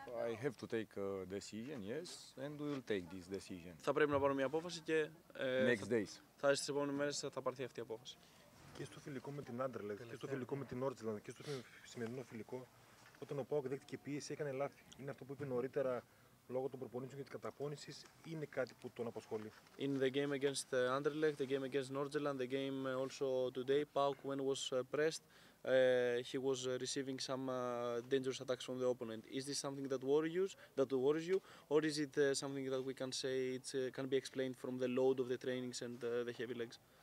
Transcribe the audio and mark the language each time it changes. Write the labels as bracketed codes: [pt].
[en] I have to take a decision, yes, and we will take this decision. [el] Θα πρέπει να πάρω μια απόφαση και [en] next days. [el] Θα στις επόμενες μέρες θα πάρθει αυτή η απόφαση. Και στο φιλικό με την Anderlecht, και στο φιλικό με την Ortsland, και στο σημερινό φιλικό, όταν ο ΠΑΟΚ δέχτηκε πίεση, έκανε λάθη. Είναι αυτό που είπε νωρίτερα λόγω των προπονήσεων και της καταπώνησης, είναι κάτι που τον αποσχολεί. [en] In the game against Anderlecht, the game against Ortsland, the game also today, ΠΑΟΚ when was pressed, he was receiving some dangerous attacks from the opponent. Is this something that worries you, or is it something that we can say it can be explained from the load of the trainings and the heavy legs?